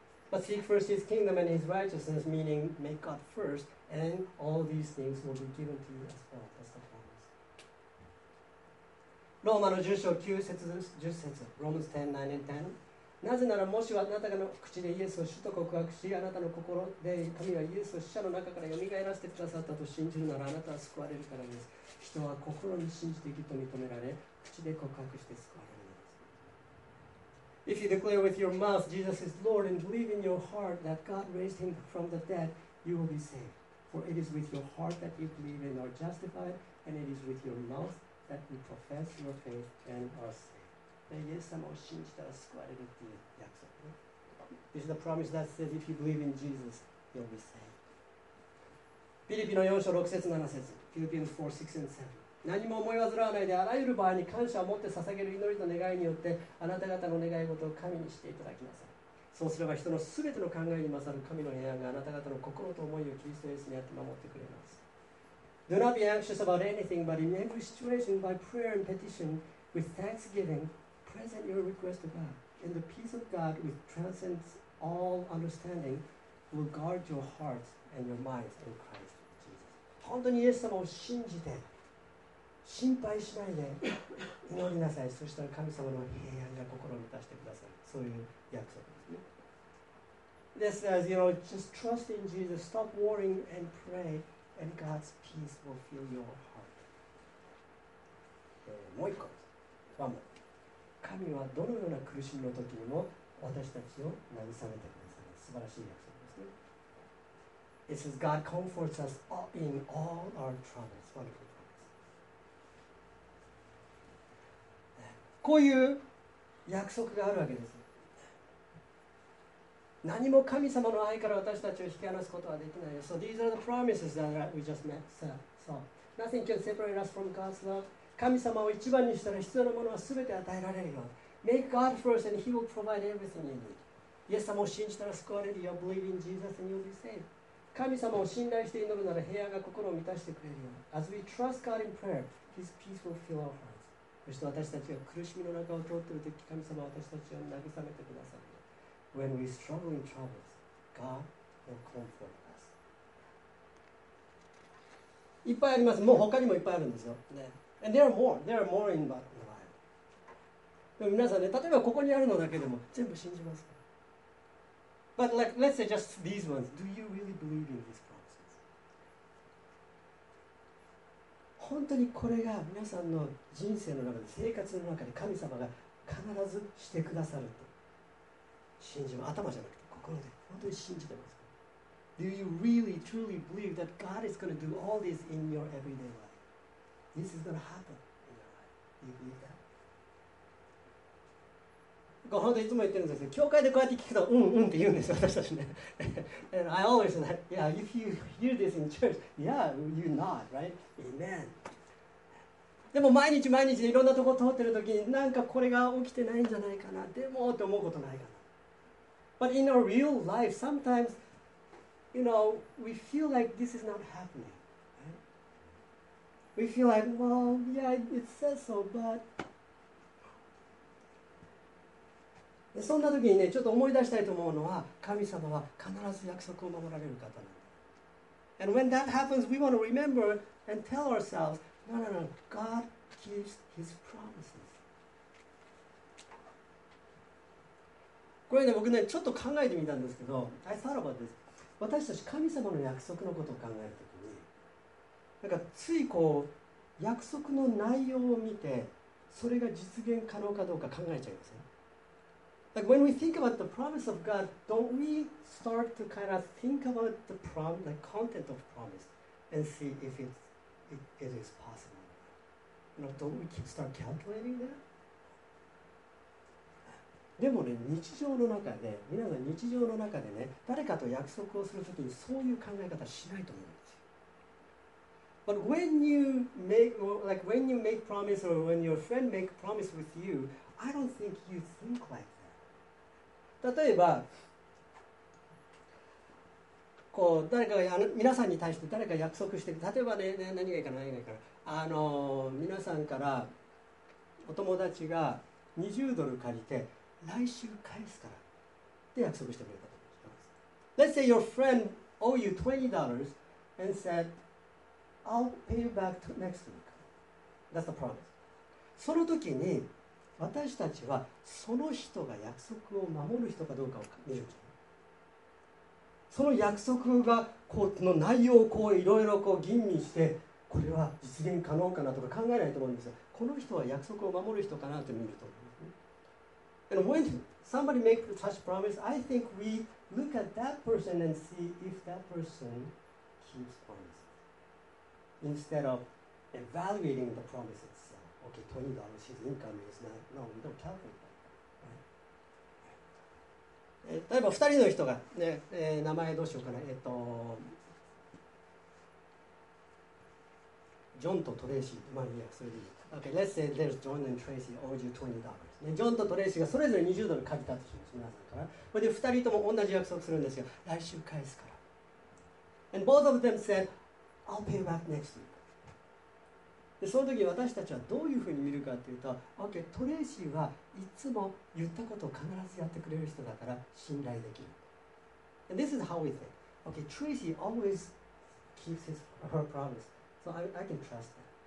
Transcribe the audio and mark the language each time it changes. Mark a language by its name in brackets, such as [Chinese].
[English] But seek first his kingdom and his righteousness, meaning make God first, and all these things will be given to you as well. That's the promise. [Japanese] ローマの10章9節10節 Romans 10:9-10。なぜならもしあなたの口でイエスを主と告白し、あなたの心で神はイエスを死者の中からよみがえらせてくださったと信じるなら、あなたは救われるからです。人は心に信じて義と認められ、口で告白して救われるのです。 [English] If you declare with your mouth Jesus is Lord and believe in your heart that God raised him from the dead, you will be saved. For it is with your heart that you believe and are justified, and it is with your mouth that you profess your faith and are saved. [Japanese] イエス様を信じたら救われるっていう約束。 [English] This is the promise that says if you believe in Jesus, you'll be saved. [Japanese] ピリピの4章6節7節 Philippians 4, 6 and 7。何も思い煩わないで、あらゆる場合に感謝を持って捧げる祈りと願いによってあなた方の願い事を神にしていただきなさい。そうすれば人のすべての考えに勝る神の平安があなた方の心と思いをキリストイエスにあって守ってくれます。 [English] Do not be anxious about anything, but in every situation by prayer and petition with thanksgiving present your request to God, and the peace of God which transcends all understanding will guard your hearts and your minds in Christ Jesus. [Japanese] 本当にイエス様を信じて心配しないで祈りなさい、そしたら神様の平安が心を満たしてください、そういう約束ですね。 [English] This says, you know, just trust in Jesus, stop worrying and pray, and God's peace will fill your heart. [Japanese] もう一個、ワンモア。神はどのような苦しみの時にも私たちを慰めてください、素晴らしい約束ですね。 [English] It says, God comforts us in all our troubles. Wonderful. [Japanese] こういう約束があるわけです。何も神様の愛から私たちを引き離すことはできない。 [English] So these are the promises that we just met. So, nothing can separate us from God's love. [Japanese] 神様を一番にしたら必要なものは全て与えられるよ。 [English] Make God first and He will provide everything you need. [Japanese] イエス様を信じたら救われるよ。 [English] Believe in Jesus and you'll be saved. [Japanese] 神様を信頼して祈るなら平安が心を満たしてくれるよ。 [English] As we trust God in prayer, His peace will fill our hearts. [Japanese] そして私たちが苦しみの中を通っているとき、神様は私たちを慰めてくださる。 [English] When we struggle in troubles, God will comfort us. [Japanese] いっぱいあります。もう他にもいっぱいあるんですよ。 [English] ね。And there are more. There are more in the Bible. [Japanese] でも皆さんね、例えばここにあるのだけでも全部信じますか。 [English] But like, let's say just these ones. Do you really believe in these promises? [Japanese] 本当にこれが皆さんの人生の中で、生活の中で神様が必ずしてくださると信じます。頭じゃなくて心で本当に信じてますか。 [English] Do you really, truly believe that God is going to do all this in your everyday life? This is gonna happen. You believe that? [Japanese] 本当にいつも言ってるんですけど、教会でこうやって聞くと、うんうんって言うんですよ、私たちね。 [English] And I always say, yeah, if you hear this in church, yeah, you nod, right? Amen. [Japanese] でも毎日毎日いろんなとこ通ってるときに、なんかこれが起きてないんじゃないかな、でもって思うことないかな。 [English] But in our real life, sometimes, you know, we feel like this is not happening. We feel like, well, yeah, it says so, but... [Japanese] でそんな時にね、ちょっと思い出したいと思うのは、神様は必ず約束を守られる方なんだ。 [English] And when that happens, we want to remember and tell ourselves, no, no, no, God keeps His promises. [Japanese] これね、僕ね、ちょっと考えてみたんですけど、 [English] I thought about this. [Japanese] 私たち神様の約束のことを考えるときに、なんかついこう約束の内容を見てそれが実現可能かどうか考えちゃいますね。 [English] Like when we think about the promise of God, don't we start to kind of think about the promise, the content of promise, and see if it is possible? You know, don't we keep start calculating that? [Japanese] でもね、日常の中で皆さん日常の中でね、誰かと約束をするときにそういう考え方しないと思う。 [English] But when you make, like when you make promise or when your friend make promise with you, I don't think you think like that. [Japanese] 例えば、こう誰かが皆さんに対して誰か約束して、例えばね、何がいいかな、何がいいかな。皆さんからお友達が20ドル借りて来週返すからって約束してくれたと思います。 [English] Let's say your friend owe you $20 and said,I'll pay you back to next week. That's the promise. [Japanese] その時に私たちはその人が約束を守る人かどうかを見るんじゃない。その約束がこうの内容をいろいろ吟味してこれは実現可能かなとか考えないと思うんですよ。この人は約束を守る人かなと見ると思う。 [English] And when somebody makes such promise, I think we look at that person and see if that person keeps promise. Instead of evaluating the promise itself. Okay, $20, his income is not, no, we don't calculate that. Right? [Japanese] 例えば2人の人が、ね、名前どうしようかな。ジョンとトレーシー。まあいいや、それでいい。 [English] Okay, let's say there's John and Tracy owed you $20.、 [Japanese] ね、ジョンとトレーシーがそれぞれ20ドル借りたとします、皆さんから。それで2人とも同じ約束するんですよ。来週返すから。 [English] And both of them said,I'll pay back next week. [Japanese] でその時私たちはどういうふうに見るかというと、OK、トレーシーはいつも言ったことを必ずやってくれる人だから信頼できる。 [English] And this is how we think. OK、Tracy always keeps his her promise, so I can trust her.